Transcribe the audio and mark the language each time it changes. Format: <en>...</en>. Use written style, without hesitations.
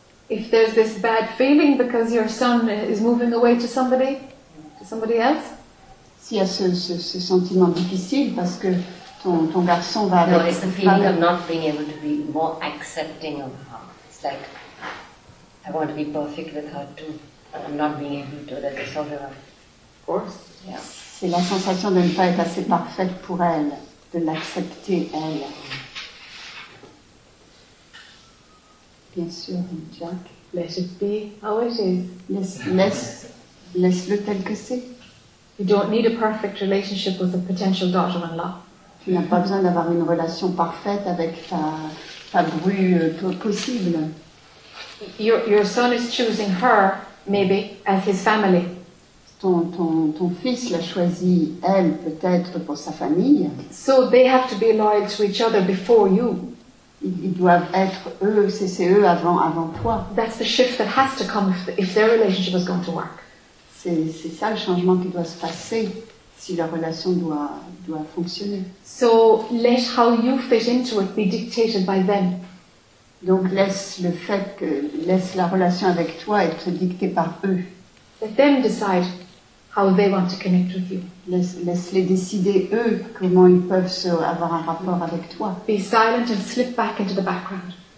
<en>If there's this bad feeling because your son is moving away to somebody else.</en> <fr>S'il y a ce sentiment difficile parce que ton garçon va aller.</fr> <en>No, it's the feeling of not being able to be more accepting of her. like I want to be perfect with her too. I'm not being able to, that is all there. Of course. Yeah.</en> <fr>C'est la sensation de ne pas être assez parfaite pour elle, de l'accepter elle. Bien sûr, Jack.</fr> <en>Laisse be how it is.</en> <fr>Laisse-le tel que c'est.</fr> <en>You don't need a perfect relationship with a potential daughter-in-law.</en> <fr>Tu n'as pas besoin d'avoir une relation parfaite avec ta bru possible.</fr> <en>Your son is choosing her, maybe, as his family.</en> <fr>Ton fils l'a choisi, elle, peut-être, pour sa famille.</fr> <en>So they have to be loyal to each other before you.</en> <fr>Ils doivent être eux, c'est eux avant toi.</fr> <en>That's the shift that has to come if their relationship is going to work.</en> <fr>C'est ça le changement qui doit se passer si la relation doit fonctionner.</fr> <en>So let how you fit into it be dictated by them.</en> <fr>Donc laisse la relation avec toi être dictée par eux.</fr> <en>Let them decide how they want to connect with you.</en> <fr>Laisse-les décider eux comment ils peuvent avoir un rapport avec toi.</fr> <en>Be silent and slip back into the background.</en>